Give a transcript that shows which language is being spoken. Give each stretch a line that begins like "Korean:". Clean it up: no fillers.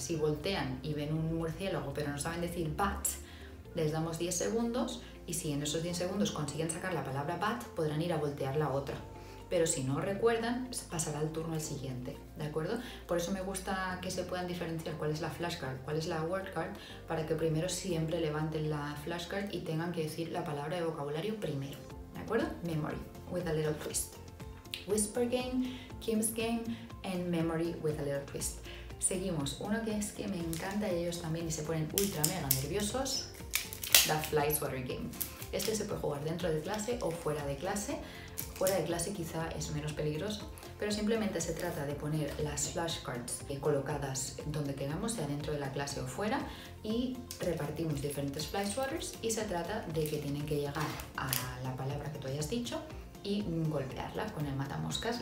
Spanish: Si voltean y ven un murciélago, pero no saben decir bat, les damos 10 segundos y si en esos 10 segundos consiguen sacar la palabra bat, podrán ir a voltear la otra. Pero si no recuerdan, pasará el turno al siguiente, ¿de acuerdo? Por eso me gusta que se puedan diferenciar cuál es la flashcard, cuál es la word card, para que primero siempre levanten la flashcard y tengan que decir la palabra de vocabulario primero, ¿de acuerdo?
English: Memory, with a little twist. Whisper Game, Kim's Game, and Memory with a little twist.
Spanish: Seguimos, uno que es que me encanta y ellos también y se ponen ultra mega nerviosos, The Fly Swatter Game. Este se puede jugar dentro de clase o fuera de clase. Fuera de clase quizá es menos peligroso, pero simplemente se trata de poner las flashcards colocadas donde queramos, sea dentro de la clase o fuera, y repartimos diferentes fly swatters y se trata de que tienen que llegar a la palabra que tú hayas dicho y golpearla con el matamoscas.